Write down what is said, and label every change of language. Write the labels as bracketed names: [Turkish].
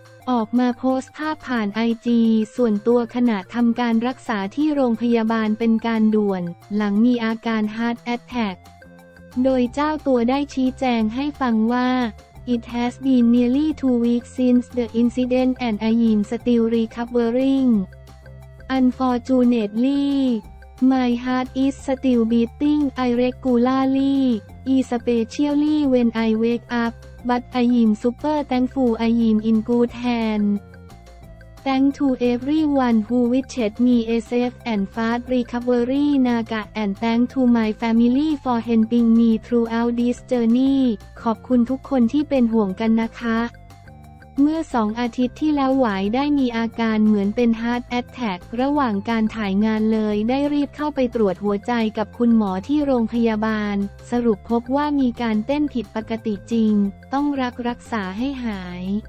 [Thai] ออกมาโพสต์ภาพผ่านไอจีส่วนตัวขณะทำการรักษาที่โรงพยาบาลเป็นการด่วนหลังมีอาการฮาร์ดแอทแทกโดยเจ้าตัวได้ชี้แจงให้ฟังว่า [English] It has been nearly 2 weeks since the incident and I am still recovering. Unfortunately, my heart is still beating irregularly, especially when I wake up, but I am super thankful I am in good hands. Thank to everyone who wished me a safe and fast recovery, Naga, and thank to my family for helping me throughout this journey. [Thai] ขอบคุณทุกคนที่เป็นห่วงกันนะคะเมื่อ2 อาทิตย์ที่แล้วหวายได้มีอาการเหมือนเป็นฮาร์ดแอทแทกระหว่างการถ่ายงานเลยได้รีบเข้าไปตรวจหัวใจกับคุณหมอที่โรงพยาบาลสรุปพบว่ามีการเต้นผิดปกติจริงต้องรักษาให้หาย